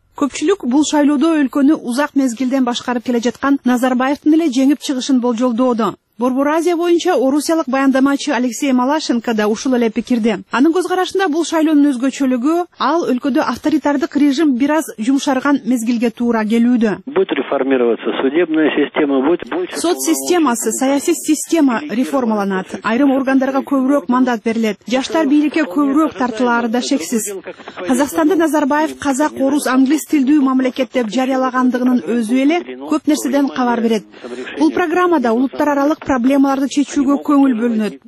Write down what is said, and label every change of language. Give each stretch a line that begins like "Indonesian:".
Kyrgyz: Көпчүлүк бул шайлоодо өлкөнү узак мезгилден башкарып келе жаткан Назарбаевдин эле жеңип чыгышын болжолдоодо. Борбор Азия боюнча орусиялык баяндамачы Алексей Малашенко да ушул эле пикирде. Анын көзкарашында бул шайлоонун өзгөчөлүгү ал өлкөдө авторитардык режим бир аз жумшарган мезгилге туура келүүдө.
Russian: Будет реформироваться судебная система, будет
Kyrgyz: сот системасы, саясий система реформаланат. Айрым органдарга көбүрөөк мандат берилет. Жаштар бийликке көбүрөөк тартылары да шексиз. Казакстанды Назарбаев казак, орус, англис тилдүү мамлекет деп жарыялагандыгынын өзү эле көп нерседен кабар берет. Бул программада улуттар аралык проблемаларды чечүүгө көңүл бөлүнөт.